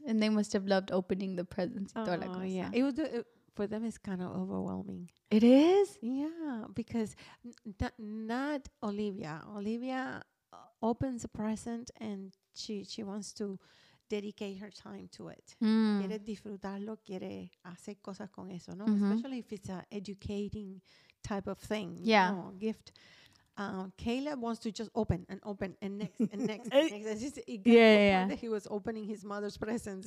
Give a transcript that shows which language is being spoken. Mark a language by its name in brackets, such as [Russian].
[English] And they must have loved opening the presents. Oh, yeah. It was for them, it's kind of overwhelming. It is? Yeah, because not Olivia. Olivia opens a present and she wants to dedicate her time to it. Mm. [Spanish] Quiere disfrutarlo, quiere hacer cosas con eso, no? Mm-hmm. [English] Especially if it's an educating type of thing. Yeah. You know, gift. Caleb wants to just open and next and next and next. And just, it got yeah, to the point that he was opening his mother's presents.